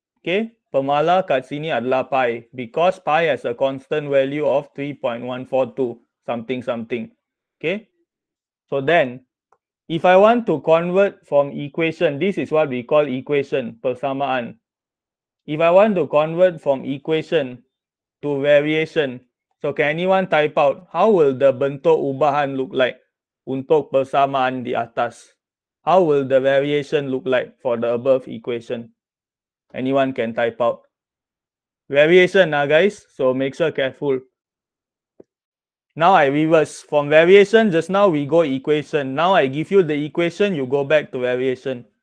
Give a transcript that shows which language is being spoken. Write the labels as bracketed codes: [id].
[ms] Okay, pemalar kat sini adalah pi. [en] Because pi has a constant value of 3.142 something. Okay, so then, if I want to convert from equation, this is what we call equation, persamaan. If I want to convert from equation to variation, so can anyone type out, how will the [ms] bentuk ubahan [en] look like? [ms] untuk persamaan di atas. [en] How will the variation look like for the above equation? Anyone can type out. Variation, guys, so make sure careful. Now I reverse. From variation, just now we go equation. Now I give you the equation, you go back to variation.